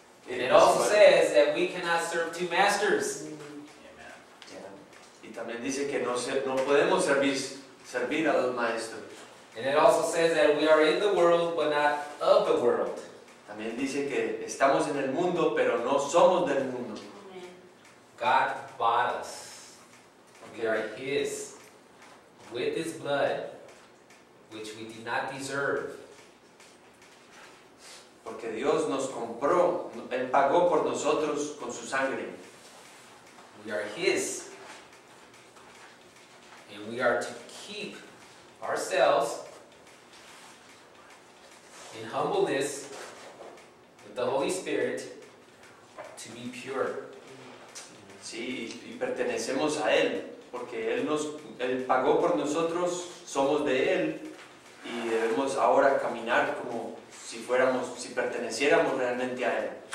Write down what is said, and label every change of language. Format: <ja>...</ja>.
<en>And it also says that we cannot serve two masters.</en> <es>Y también dice que no podemos servir a dos maestros.</es> <en>And it also says that we are in the world, but not of the world.</en> <es>También dice que estamos en el mundo, pero no somos del mundo.</es> <en>God bought us. We are His. With His blood, which we did not deserve.</en> <es>Porque Dios nos compró, Él pagó por nosotros con su sangre.</es> <en>We are His. And we are to keep ourselves in humbleness with the Holy Spirit to be pure.</en> <es>Sí, y pertenecemos a Él, porque Él nos, Él pagó por nosotros, somos de Él, y debemos ahora caminar como si fuéramos, si perteneciéramos realmente a Él.</es>